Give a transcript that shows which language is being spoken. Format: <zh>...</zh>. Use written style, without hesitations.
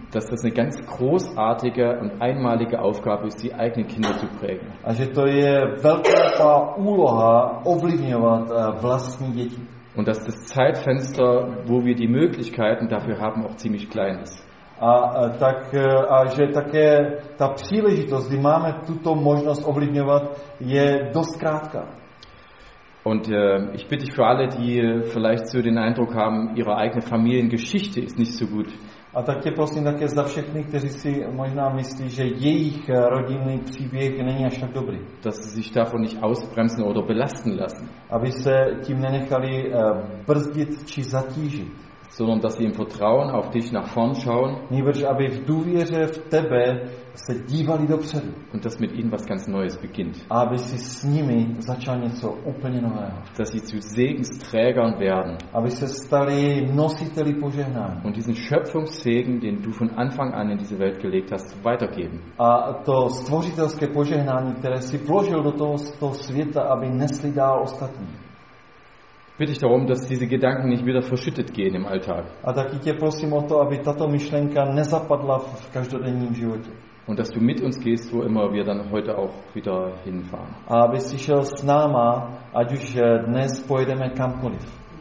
<de>Dass das eine ganz großartige und einmalige Aufgabe ist, die eigenen Kinder zu prägen.</de> <cs>A že to je velká úloha ovlivňovat vlastní děti.</cs> <de>Und dass das Zeitfenster, wo wir die Möglichkeiten dafür haben, auch ziemlich klein ist.</de> <cs>A že také ta příležitost, kdy máme tuto možnost ovlivňovat, je dost krátká.</cs> <de>Und ich bitte dich für alle, die vielleicht so den Eindruck haben, ihre eigene Familiengeschichte ist nicht so gut.</de> <cs>A tak tě prosím také za všechny, kteří si možná myslí, že jejich rodinný příběh není až tak dobrý.</cs> <de>Dass sie sich davon nicht ausbremsen oder belasten lassen.</de> <cs>Aby se tím nenechali brzdit či zatížit.</cs> <de>Sondern dass sie im Vertrauen auf dich nach vorn schauen.</de> <cs>Nýbrž, aby v důvěře v tebe se dívali dopředu.</cs> <de>Und dass mit ihnen was ganz Neues beginnt.</de> <cs>Aby si s nimi začal něco úplně nového.</cs> <de>Dass sie zu Segensträgern werden.</de> <cs>Aby se stali nositeli požehnání.</cs> <de>Und diesen Schöpfungssegen, den du von Anfang an in diese Welt gelegt hast, weitergeben.</de> <cs>A to stvořitelské požehnání, které si vložil do toho světa, aby nesli dál ostatní.</cs> <de>Bitte ich darum, dass diese Gedanken nicht wieder verschüttet gehen im Alltag.</de> <cs>A taky tě prosím o to, aby tato myšlenka nezapadla v každodenním životě.</cs> <de>Und dass du mit uns gehst, wo immer wir dann heute auch wieder hinfahren.</de> <cs>A aby jsi šel s náma, ať už dnes pojedeme kamkoliv.</cs>